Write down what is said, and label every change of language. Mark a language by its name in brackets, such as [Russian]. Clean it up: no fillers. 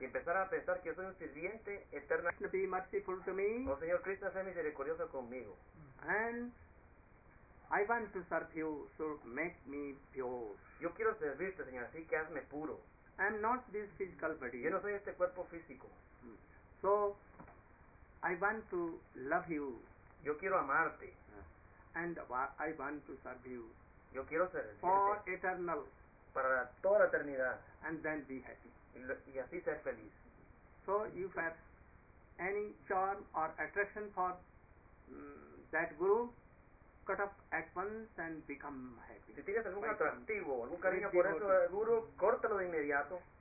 [Spanish] Y empezar a pensar que yo soy un sirviente eterno. [English] Krishna be merciful to me. [Spanish] Oh, Señor Krishna, sé misericordioso conmigo. [English] And I want to serve you, so make me pure. [Spanish] Yo quiero servirte, Señor, así que hazme puro. [English] I am not this physical body. [Spanish] Yo no soy este cuerpo físico. [English] So, I want to love you. [Spanish] Yo quiero amarte. [English] And I want to serve you. [Spanish] Yo quiero servirte. [English] For eternal. [Spanish] Para toda la eternidad. [English] And then be happy. [Spanish] Y así ser feliz. [English] So, you have any charm or attraction for that guru? Cut up at once and become happy. [Spanish] Si tienes algún atractivo, algún cariño por eso, guru, córtalo de inmediato.